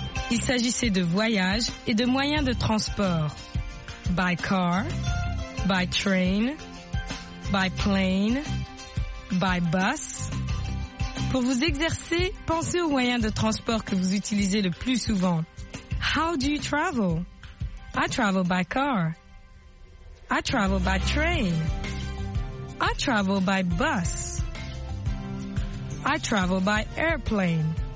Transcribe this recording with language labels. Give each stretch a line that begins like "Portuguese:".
French: Il s'agissait de voyage et de moyens de transport.
English: By car, by train, by plane, by bus.
French: Pour vous exercer, pensez aux moyens de transport que vous utilisez le plus souvent.
English: How do you travel? I travel by car. I travel by train. I travel by bus. I travel by airplane.